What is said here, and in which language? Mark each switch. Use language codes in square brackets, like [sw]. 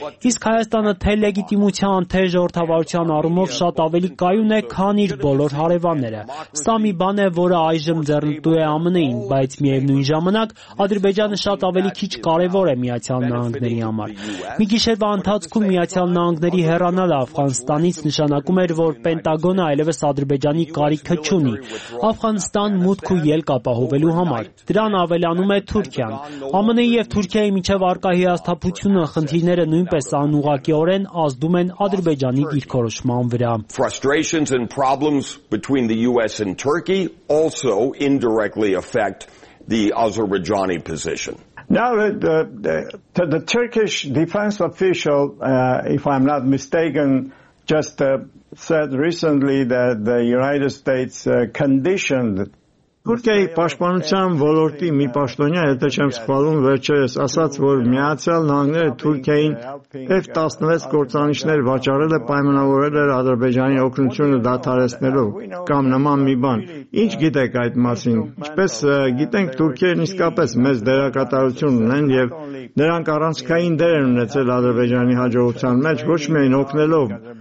[hy] Իսկ Հայաստանը թե լեգիտիմության, թե ժողովրդավարության առումով շատ ավելի կայուն է, քան իր բոլոր հարևանները։ Սա մի բան է, որը այժմ ձեռնտու է ԱՄՆ-ին, բայց միևնույն ժամանակ Ադրբեջանը շատ ավելի քիչ կարևոր է Միացյալ Նահանգների համար։ Մի գիշերվա ընթացքում Միացյալ Նահանգների հեռանալը Աֆղանստանից նշանակում էր, որ Պենտագոնը այլևս Ադրբեջանի կարիքը չունի Աֆղանստան մուտք ու ելք ապահովելու համար։ Դրան ավելանում է Թուրքիան։ ԱՄՆ-ի եւ Թուրքիայի միջև արկա հիասթափությունը, խնդիրները նույնպես անուղղակիորեն ազդում են Ադրբեջանի դիրքորոշման վրա։ [en] Frustrations and problems between the US and Turkey also indirectly affect the Azerbaijani position. Now the Turkish defense official, if I'm not mistaken, just said recently that the United States conditioned [hy] Թուրքիայի պաշտպանության ոլորտի մի պաշտոնյա, եթե չեմ սխալվում, վերջերս ասաց, որ Միացյալ Նահանգները Թուրքիային F-16 գործանիշներ վաճառել է, պայմանավորել է Ադրբեջանի օգնությունը դադարեցնելու կամ նման մի բան։ Ինչ գիտեք այդ մասին։ Ինչպես գիտենք, Թուրքիան իսկապես մեծ դերակատարություն ունեն եւ նրանք առանցքային դեր են ունեցել Ադրբեջանի հաջողության մեջ, ոչ միայն օգնելով,